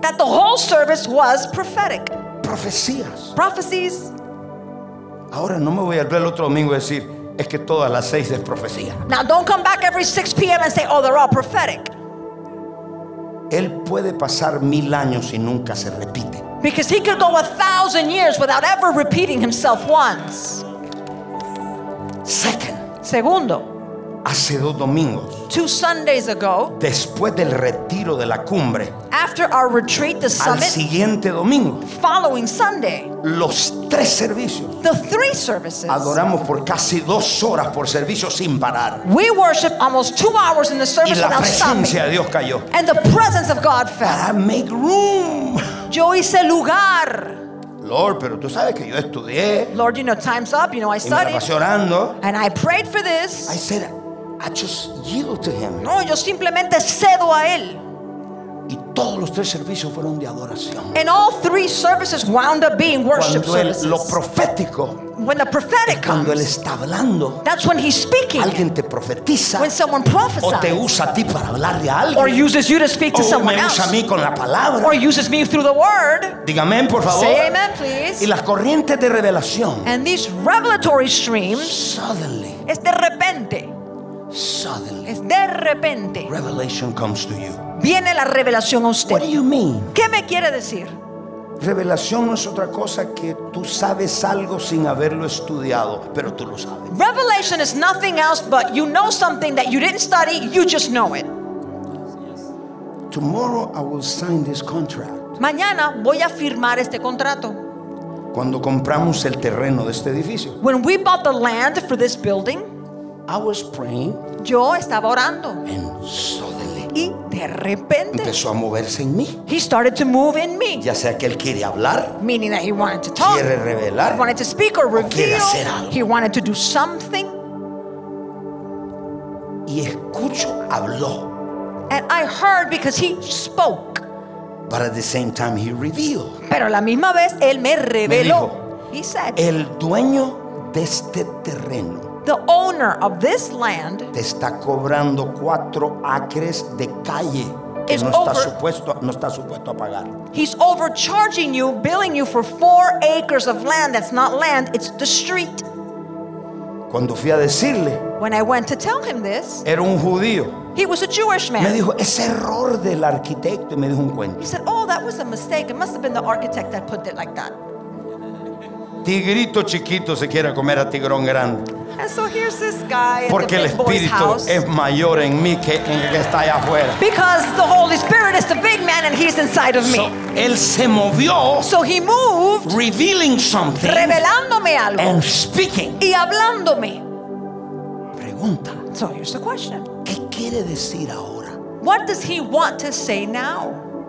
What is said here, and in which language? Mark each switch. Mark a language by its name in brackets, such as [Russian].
[English] That the whole service was prophetic. [Spanish] Profecías. [English] Prophecies. [Spanish] Ahora no me voy a ver el otro domingo y decir. Es que todas las 6 es profecía. [English] Now don't come back every 6 p.m. and say, oh, they're all prophetic. [Spanish] Él puede pasar 1,000 años y nunca se repite. [English] Because he could go 1,000 years without ever repeating himself once. Second. [Spanish] Segundo. Hace 2 domingos. [English] 2 Sundays ago. [Spanish] Después del retiro de la cumbre. [English] After our retreat, the summit. [Spanish] Al siguiente domingo. [English] Following Sunday. [Spanish] Los 3 servicios. [English] The 3 services. [Spanish] Adoramos por casi 2 horas por servicio sin parar. [English] We worship almost 2 hours in the service without stopping. [Spanish] Y la presencia de Dios cayó. [English] And the presence of God fell. [Spanish] Para [English] make room. [Spanish] Yo hice lugar. [English] Lord, [Spanish] pero tú sabes que yo estudié. [English] Lord, you know time's up. You know I studied. [Spanish] Y me la pasé orando. [English] And I prayed for this. I said, I just yield to him. [Spanish] No, yo simplemente cedo a él. Y todos los 3 servicios fueron de adoración. [English] And all 3 services wound up being worship [Spanish] cuando [English] services. [Spanish] Lo profético. [English] When the prophetic [Spanish] cuando [English] comes. [Spanish] Él está hablando. [English] That's when he's speaking. [Spanish] Alguien te profetiza. [English] When someone prophesies. [Spanish] O te usa a ti para hablarle a alguien. [English] Or uses you to speak [Spanish] o [English] to someone [Spanish] me [English] else. [Spanish] Usa a mí con la palabra. [English] Or uses me through the word. [Spanish] Dígame, por favor. [English] Say amen, please. [Spanish] Y las corrientes de revelación. [English] And these revelatory streams. Suddenly. [Spanish] Es de repente. [English] Suddenly, [Spanish] es de repente. [English] Revelation comes to you. [Spanish] Viene la revelación a usted. [English] What do you mean? [Spanish] ¿Qué me quiere decir? Revelación no es otra cosa que tú sabes algo sin haberlo estudiado, pero tú lo sabes. [English] Revelation is nothing else but you know something that you didn't study, you just know it. Tomorrow I will sign this contract. [Spanish] Mañana voy a firmar este contrato. Cuando compramos el terreno de este edificio. [English] When we bought the land for this building. I was praying. [Spanish] Yo estaba orando. [English] And suddenly. [Spanish] Y de repente. Empezó a moverse en mí. [English] He started to move in me. [Spanish] Ya sea que él quiere hablar. [English] Meaning that he wanted to talk. [Spanish] Quiere revelar. [English] He wanted to speak or reveal. [Spanish] O quiere hacer algo. [English] He wanted to do something. [Spanish] Y escucho, habló. [English] And I heard because he spoke. But at the same time he revealed. [Spanish] Pero a la misma vez él me reveló. Me dijo, [English] he said. [Spanish] El dueño de este terreno. [English] The owner of this land [Spanish] te está cobrando 4 acres de calle que no está supuesto, no está supuesto a pagar. [English] He's overcharging you, billing you for 4 acres of land that's not land, it's the street. [Spanish] Cuando fui a decirle, [English] when I went to tell him this, [Spanish] era un judío. [English] He was a Jewish man. [Spanish] Me dijo, es error del arquitecto, y me dijo un cuento. [English] He said, oh, that was a mistake. It must have been the architect that put it like that. [Spanish] tigrito chiquito se quiere comer a tigrón grande. [English] And so here's this guy at [Spanish] porque [English] the big [Spanish] el Espíritu [English] boy's house. [Spanish] Es mayor en mí que en el que está allá afuera. [English] Because the Holy Spirit is the big man and he's inside of me. So, [Spanish] él se movió, [English] so he moved, revealing something, [Spanish] revelándome algo, [English] and speaking. [Spanish] Y hablándome. Pregunta. [English] So here's the question. [Spanish] ¿Qué quiere decir ahora? [English] What does he want to say now?